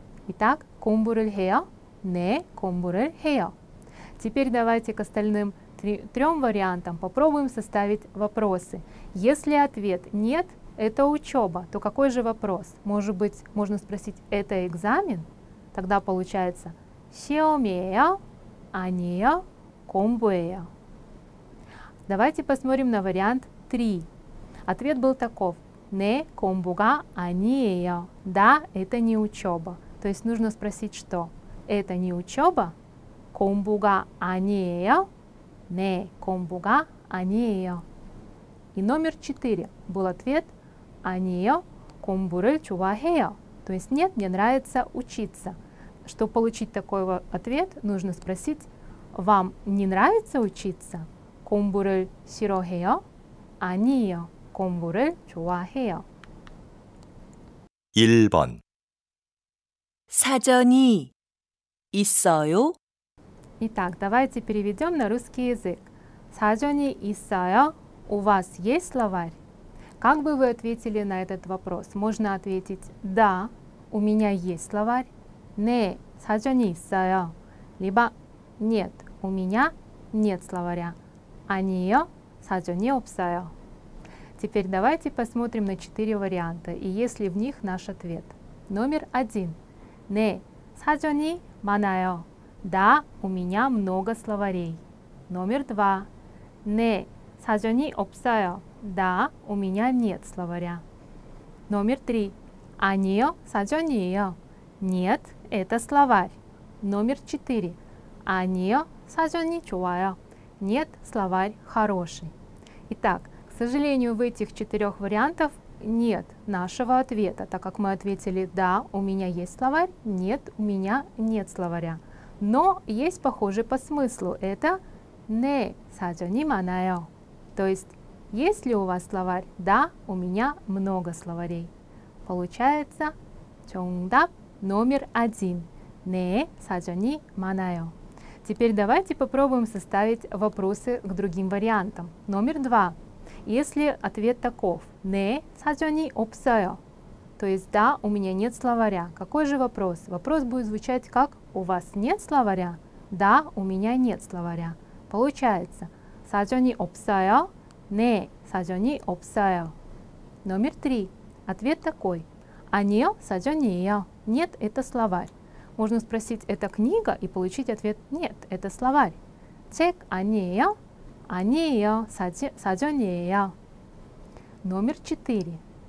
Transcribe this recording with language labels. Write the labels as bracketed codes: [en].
[ko] Итак, 공부를 해요. 네, 공부를 해요. [ru] Теперь давайте к остальным 3 вариантам попробуем составить вопросы. Если ответ нет, это учеба, то какой же вопрос? Может быть, можно спросить, это экзамен? Тогда получается [ko] 시험이에요, 아니에요, 공부예요. [ru] Давайте посмотрим на вариант 3. Ответ был таков. [ko] 네, 공부가 아니에요. [ru] Да, это не учеба. То есть нужно спросить, что? Это не учеба? [ko] 공부가 아니에요. 네, 공부가 아니에요. [ru] И номер 4 был ответ. [ko] 아니에요, 공부를 좋아해요. [ru] То есть нет, мне нравится учиться. Чтобы получить такой ответ, нужно спросить, вам не нравится учиться? [ko] 공부를 싫어해요? 아니에요. 공부를 좋아해요. 1번 사전이 있어요? [ru] Итак, давайте переведем на русский язык. [ko] 사전이 있어요? [ru] У вас есть словарь? Как бы вы ответили на этот вопрос? Можно ответить «Да, у меня есть словарь». [ko] 네, 사전이 있어요. [ru] Либо «Нет, у меня нет словаря». [ko] 아니에요, 사전이 없어요. [ru] Теперь давайте посмотрим на 4 варианта и есть ли в них наш ответ. [ko] Номер 1. 네, 사전이 많아요. [ru] Да, у меня много словарей. [ko] Номер 2. 네, 사전이 없어요. [ru] Да, у меня нет словаря. Номер 3. [ko] 아니에요, 사전이에요. [ru] Нет, это словарь. Номер 4. [ko] 아니에요, 사전이 좋아요. [ru] Нет, словарь хороший. Итак, к сожалению, в этих 4 вариантов нет нашего ответа, так как мы ответили «Да, у меня есть словарь», «Нет, у меня нет словаря». Но есть похожий по смыслу. Это «Не, [ko] 사전이 많아요». [ru] То есть, есть ли у вас словарь? Да, у меня много словарей. Получается, 정답 номер 1. [ko] 네, 사전이 많아요. [ru] Теперь давайте попробуем составить вопросы к другим вариантам. Номер 2. Если ответ таков, [ko] 네, 사전이 없어요, [ru] то есть да, у меня нет словаря. Какой же вопрос? Вопрос будет звучать как у вас нет словаря? Да, у меня нет словаря. [ko] Получается, 사전이 없어요, 네, 사전이 없어요. [ru] Номер 3. Ответ такой, [ko] 아니요, 사전이에요. [ru] Нет, это словарь. Можно спросить, это книга, и получить ответ «нет, это словарь». [ko] 책 아니에요? 아니에요, 사전이에요. Номер 4.